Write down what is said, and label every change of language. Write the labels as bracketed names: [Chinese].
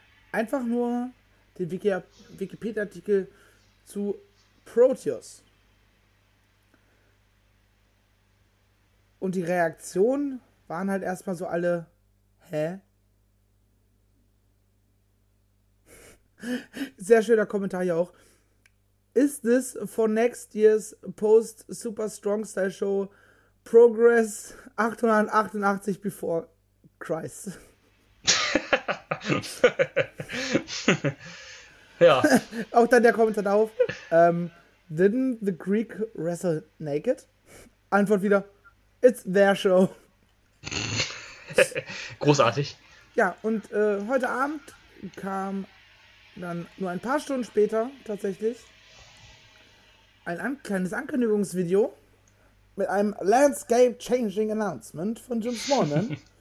[German] Einfach nur den Wikipedia-Artikel zu Proteus. Und die Reaktionen waren halt erstmal so alle, hä? Sehr schöner Kommentar hier auch. [English] Is this for next year's post Super Strong Style Show Progress 888 before Christ? [German] Ja. Auch dann der Kommentar darauf. [English] Didn't the Greek wrestle naked? [German] Antwort wieder: [English] It's their show. [German] Großartig. Ja, und heute Abend kam dann nur ein paar Stunden später tatsächlich ein kleines Ankündigungsvideo mit einem Landscape-Changing Announcement von Jim Smallman.